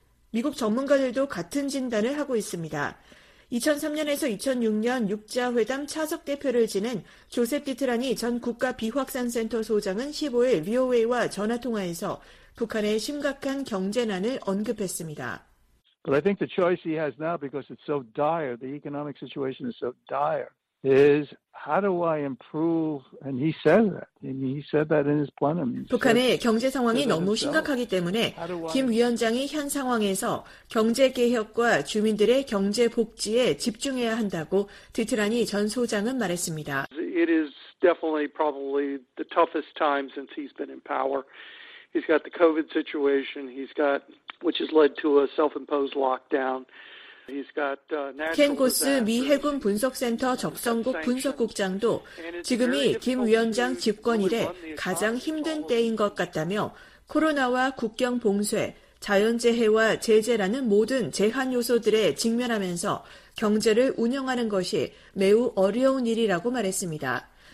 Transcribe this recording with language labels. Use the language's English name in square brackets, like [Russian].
[Korean] 미국 전문가들도 같은 진단을 하고 있습니다. 2003년에서 2006년 6자회담 차석 대표를 지낸 조셉 디트라니 전 국가비확산센터 소장은 15일 VOA와 전화통화에서 북한의 심각한 경제난을 언급했습니다. [English] But I think the choice he has now, because it's so dire, the economic situation is so dire, is how do I improve? And he said that. And he said that in his plenum. [Korean] 북한의 경제 상황이 너무 심각하기 때문에 김 위원장이 현 상황에서 경제 개혁과 주민들의 경제 복지에 집중해야 한다고 디트라니 전 소장은 말했습니다. [English] It is definitely probably the toughest time since he's been in power. He's got the COVID situation. He's got which has led to a self-imposed lockdown. He's got national. [Korean] 켄 고스 미 해군 분석센터 적성국 분석국장도 지금이 김 위원장 집권 이래 가장 힘든 때인 것 같다며 코로나와 국경 봉쇄, 자연재해와 제재라는 모든 제한 요소들에 직면하면서 경제를 운영하는 것이 매우 어려운 일이라고 말했습니다.